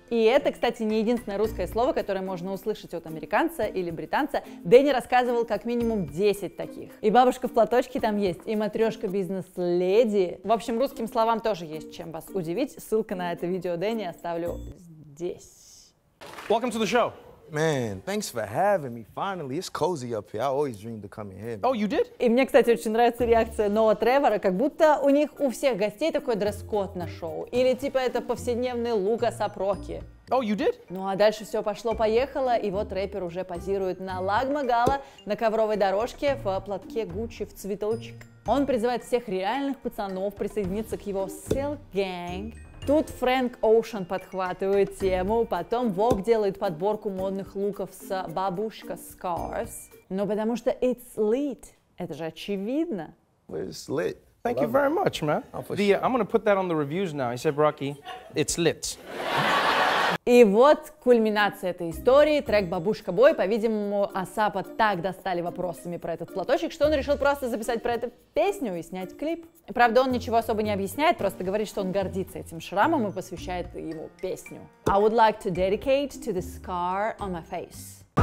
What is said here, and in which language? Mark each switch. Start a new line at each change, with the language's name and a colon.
Russian: И это, кстати, не единственное русское слово, которое можно услышать от американца или британца. Дэнни рассказывал как минимум 10 таких. И бабушка в платочке там есть, и матрешка бизнес-леди. В общем, русским словам тоже есть чем вас удивить. Ссылка на это видео Дэнни оставлю здесь.
English: Welcome to the show. Man, thanks for having me. Finally, it's cozy up here. I always dreamed of coming here. Oh, you did?
Russian: И мне, кстати, очень нравится реакция Ноа Тревора, как будто у них у всех гостей такой дресс-код на шоу. Или типа это повседневный лук Асап Роки.
English: Oh, you did?
Russian: Ну а дальше все пошло-поехало, и вот рэпер уже позирует на Лагма Гала на ковровой дорожке в платке Гуччи в цветочек. Он призывает всех реальных пацанов присоединиться к его Silk Gang. Тут Фрэнк Оушен подхватывает тему, потом Vogue делает подборку модных луков с бабушка Scarves. Ну, потому что
English: it's lit.
Russian: Это же очевидно.
English: It's lit. Thank you very much, man. I'm gonna put that on the reviews now. I said, Rocky, it's lit.
Russian: И вот кульминация этой истории, трек «Бабушка Бой». По-видимому, Асапа так достали вопросами про этот платочек, что он решил просто записать про эту песню и снять клип. Правда, он ничего особо не объясняет, просто говорит, что он гордится этим шрамом и посвящает ему песню.
English: I would like to dedicate to the scar on my face.